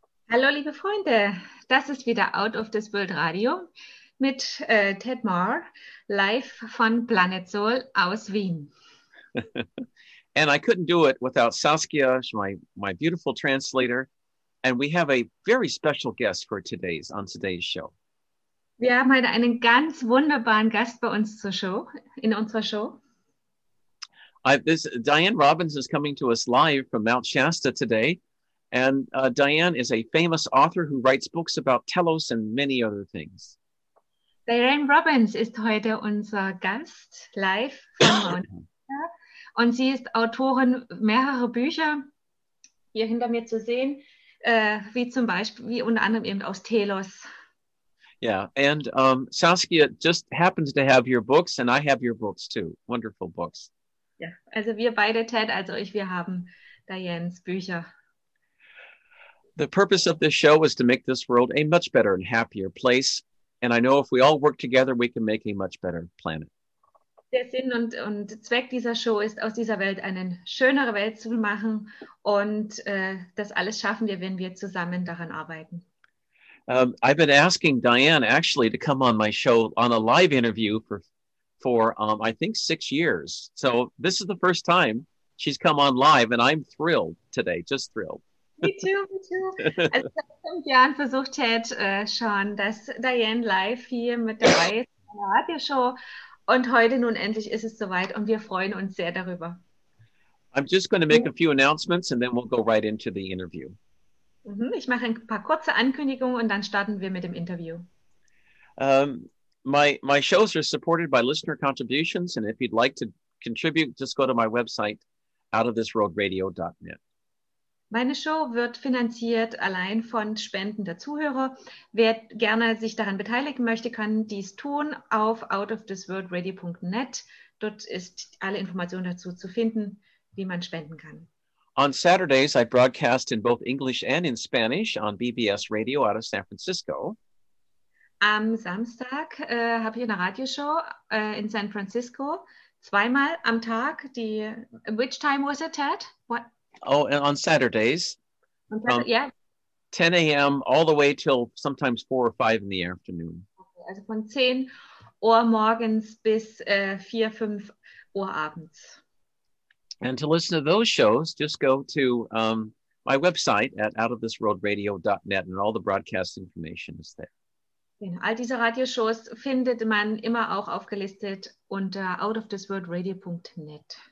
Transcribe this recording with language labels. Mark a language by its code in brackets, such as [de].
[de] Hallo, liebe Freunde. Das ist wieder Out of This World Radio mit Ted Marr, live von Planet Soul aus Wien. [en] And I couldn't do it without Saskia, my beautiful translator. And we have a very special guest on today's show. [de] Wir haben heute einen ganz wunderbaren Gast bei uns zur Show, in unserer Show. [en] Diane Robbins is coming to us live from Mount Shasta today. And Diane is a famous author who writes books about Telos and many other things. [de] Diane Robbins ist heute unser Gast live von Mount Shasta. Und sie ist Autorin mehrerer Bücher, hier hinter mir zu sehen, wie unter anderem eben aus Telos. [en] Yeah, and Saskia just happens to have your books and I have your books too. Wonderful books. [de] Yeah, also wir beide, Ted, also ich, wir haben Dianes Bücher. [en] The purpose of this show is to make this world a much better and happier place. And I know if we all work together, we can make a much better planet. [de] Der Sinn und Zweck dieser Show ist, aus dieser Welt eine schönere Welt zu machen. Und das alles schaffen wir, wenn wir zusammen daran arbeiten. [en] I've been asking Diane actually to come on my show on a live interview for I think 6 years. So this is the first time she's come on live and I'm thrilled today, just thrilled. Me too. [de] Also seit 5 Jahren versucht Ted schon, dass Diane live hier mit dabei ist in der Radioshow. Und heute nun endlich ist es soweit und wir freuen uns sehr darüber. [en] I'm just going to make a few announcements and then we'll go right into the interview. [de] Ich mache ein paar kurze Ankündigungen und dann starten wir mit dem Interview. [en] My shows are supported by listener contributions, and if you'd like to contribute, just go to my website outofthisworldradio.net. [de] Meine Show wird finanziert allein von Spenden der Zuhörer. Wer gerne sich daran beteiligen möchte, kann dies tun auf outofthisworldradio.net. Dort ist alle Informationen dazu zu finden, wie man spenden kann. [en] On Saturdays, I broadcast in both English and in Spanish on BBS Radio out of San Francisco. [de] Am Samstag habe ich eine Radioshow in San Francisco, zweimal am Tag. [en] Which time was it, Ted? What? Oh, and on Saturdays. Yeah. 10 a.m. all the way till sometimes 4 or 5 in the afternoon. [de] Okay, also von 10 Uhr morgens bis 4, 5 Uhr abends. [en] And to listen to those shows, just go to my website at outofthisworldradio.net and all the broadcast information is there. [de] All diese Radioshows findet man immer auch aufgelistet unter outofthisworldradio.net.